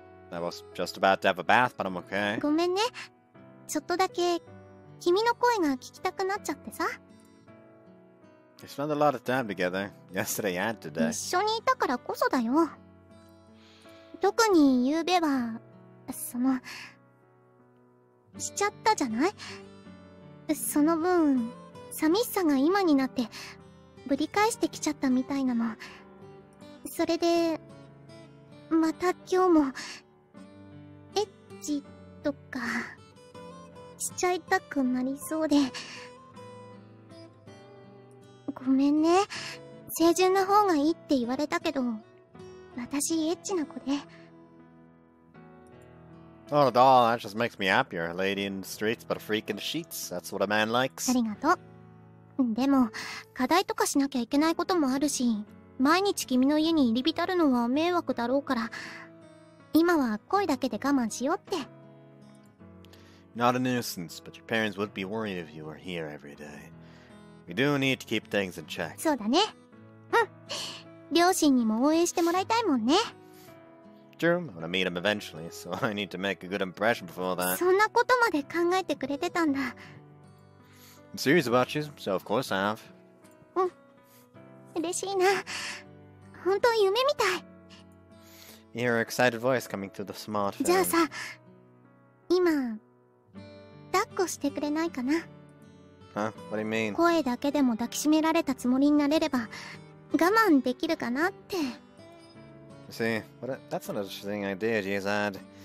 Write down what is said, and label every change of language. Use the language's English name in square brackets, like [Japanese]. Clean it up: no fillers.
[English] I was just about to have a bath, but I'm okay. Sorry, just a little bit. I wanted to hear your voice. We spent a lot of time together, yesterday and today. [Japanese] 一緒にいたからこそだよ。特に夕べは、その、しちゃったじゃない? その分、寂しさが今になって、ぶり返してきちゃったみたいなの。それで、また今日も、エッチとか、しちゃいたくなりそうで、ごめんね。清純な方がいいって言われたけど、私エッチな子で。 [English] Oh, no, doll, that just makes me happier. A lady in the streets, but a freak in the sheets. That's what a man likes. [Japanese] ありがとう。でも、課題とかしなきゃいけないこともあるし、毎日君の家に入り浸るのは迷惑だろうから、今は恋だけで我慢しようって。 [English] Not a nuisance, but your parents would be worried if you were here every day. We do need to keep things in check. [Japanese] そうだね。うん。両親にも応援してもらいたいもんね。 [English] True, I'm gonna meet him eventually, so I need to make a good impression before that. [Japanese] そんなことまで考えてくれてたんだ。 [English] I'm serious about you, so of course I have. [Japanese] うん。嬉しいな。本当夢みたい。 [English] You hear an excited voice coming through the smartphone. [Japanese] じゃあさ、今、抱っこしてくれないかな? [English] Huh? What do you mean? [Japanese] 声だけでも抱きしめられたつもりになれれば我慢できるかなって。 [English] You see, what a, that's an interesting idea, she's had.